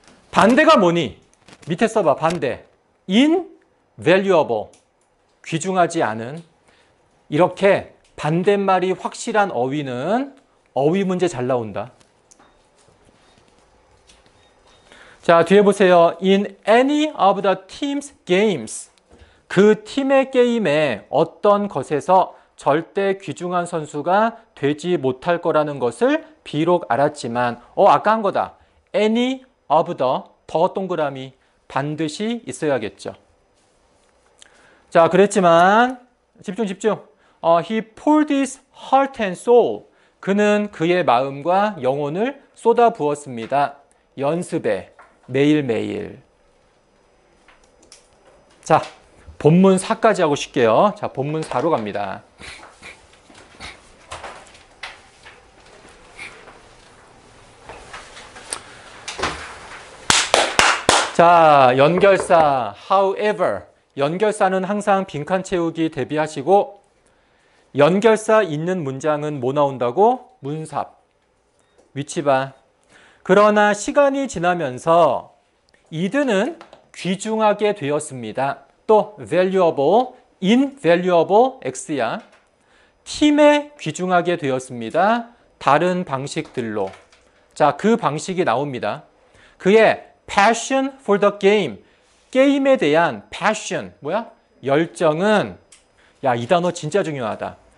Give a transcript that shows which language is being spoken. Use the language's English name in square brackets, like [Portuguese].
[Korean] 반대가 뭐니? 밑에 써봐, 반대. invaluable. 귀중하지 않은. 이렇게 반대말이 확실한 어휘는 어휘 문제 잘 나온다. 자, 뒤에 보세요. [English] In any of the team's games. [Korean] 그 팀의 게임에 어떤 것에서 절대 귀중한 선수가 되지 못할 거라는 것을 비록 알았지만, 아까 한 거다. [English] Any of the, [Korean] 더 동그라미, 반드시 있어야겠죠. 자, 그랬지만, 집중. [English] He poured his heart and soul. [Korean] 그는 그의 마음과 영혼을 쏟아 부었습니다. 연습에, 매일매일. 자, 본문 4까지 하고 쉴게요. 자, 본문 4로 갑니다. 자, 연결사, however. 연결사는 항상 빈칸 채우기 대비하시고, 연결사 있는 문장은 뭐 나온다고? 문삽. 위치 봐. 그러나 시간이 지나면서 이드는 귀중하게 되었습니다. 또 valuable, invaluable, x야. 팀에 귀중하게 되었습니다. 다른 방식들로. 자, 그 방식이 나옵니다. 그의 [English] Passion for the game. [Korean] 게임에 대한 passion. 뭐야? 열정은, 야, 이 단어 진짜 중요하다.